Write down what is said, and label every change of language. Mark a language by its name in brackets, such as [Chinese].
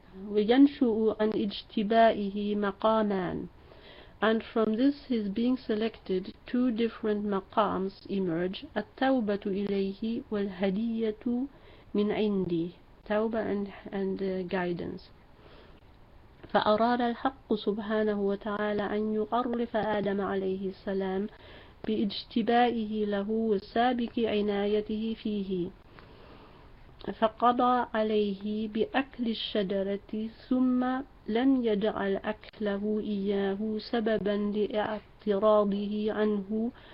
[Arabic] وينشؤ عن اجتبائه مقامان. [English] And from this his being selected, two different maqams emerge: [Arabic] التوبه اليه والهديه من عندي. [English] Tawbah and guidance. [Arabic] فأراد الحق سبحانه وتعالى أن يعرف آدم عليه السلام باجتبائه له وسابق عنايته فيه، فقضى عليه بأكل الشجرة، ثم لم يجعل أكله إياه سببا لاعتراضه عنه